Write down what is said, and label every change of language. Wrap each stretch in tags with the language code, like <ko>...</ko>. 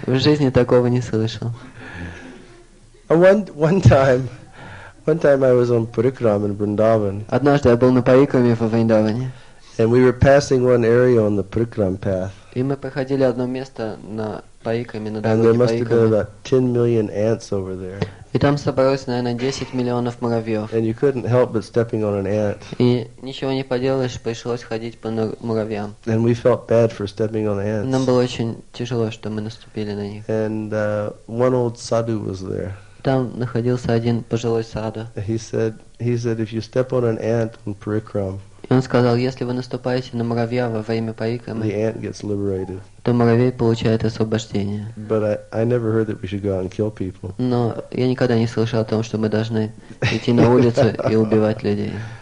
<ru>В жизни такого не слышал.</ru> <en>One time I was on Parikram in Vrindavan.</en> <ru>Однажды я был на Парикраме во Вриндаване.</ru> <en>And we were passing one area on the Parikram path.</en> <ru>И мы проходили одно место на Парикраме, на дороге.</ru> <en>And there must have been about 10 million ants over there.</en> <ru>И там собралось, наверное, 10 миллионов муравьев.</ru> <en>And you couldn't help but stepping on an ant.</en> <ru>И ничего не поделаешь, пришлось ходить по муравьям.</ru> <en>And we felt bad for stepping on ants.</en> <ru>Нам было очень тяжело, что мы наступили на них.</ru> <en>And one old sadhu was there.</en> <ru>Там находился один пожилой саду.</ru> <en>He said, if you step on an ant on Parikram.</en> <ru>И он сказал, если вы наступаете на муравья во время Парикрамы,</ru> <en>the ant gets liberated.</en> <ru>То муравей получает освобождение.</ru> <en>But I never heard that we should go out and kill people.</en> <ru>Но я никогда не слышал о том, что мы должны идти на улицу и убивать людей.</ru>